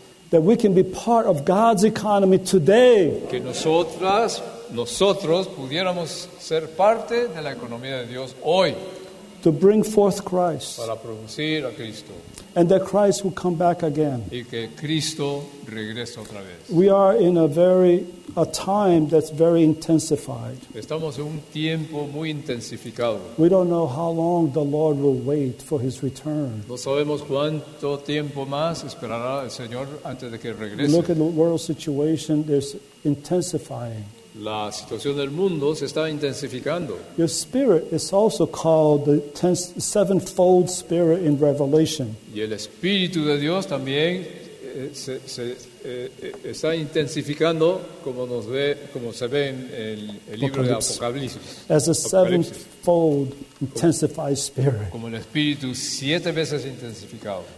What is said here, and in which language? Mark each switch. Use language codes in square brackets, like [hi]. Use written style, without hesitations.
[en] That we can be part of God's economy today. [es] Que nosotros pudiéramos ser parte de la economía de Dios hoy. [en] To bring forth Christ. [es] Para producir a Cristo. [en] And that Christ will come back again. [es] Y que Cristo regrese otra vez. [en] We are in a time that's very intensified. [es] Estamos en un tiempo muy intensificado. [en] We don't know how long the Lord will wait for his return. [es] No sabemos cuánto tiempo más esperará el Señor antes de que regrese. [en] Look at the world situation, it's intensifying. [es] La situación del mundo se está intensificando. [en] Your spirit is also called the sevenfold spirit in Revelation. [es] Y el espíritu de Dios también se está intensificando, como nos ve, como se ve en el libro de Apocalipsis. [en] As a sevenfold intensified spirit. [es] Como el espíritu siete veces intensificado.